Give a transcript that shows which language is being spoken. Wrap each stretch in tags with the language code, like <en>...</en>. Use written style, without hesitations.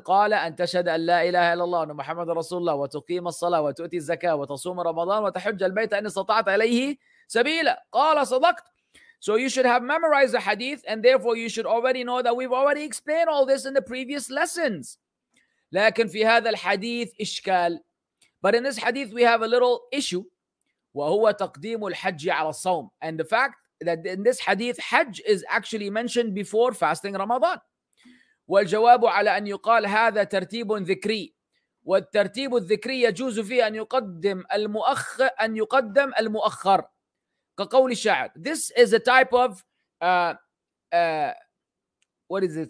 <ar>قال أن تشهد أن لا إله إلا الله أن محمد رسول الله وتقيم الصلاة وتؤتي الزكاة وتصوم رمضان وتحج البيت إن استطعت عليه سبيلا. قال صدقت.</ar> <en>So you should have memorized the hadith, and therefore you should already know that we've already explained all this in the previous lessons.</en> <ar>لكن في هذا الحديث إشكال.</ar> <en>But in this hadith we have a little issue.</en> <ar>وهو تقديم الحج على الصوم.</ar> <en>And the fact that in this hadith حج is actually mentioned before fasting Ramadan.</en> <ar>والجواب على أن يقال هذا ترتيب ذكري. والترتيب الذكري يجوز فيه أن يقدم المؤخر. كقول الشاعر.</ar> <en>This is a type of what is it?</en>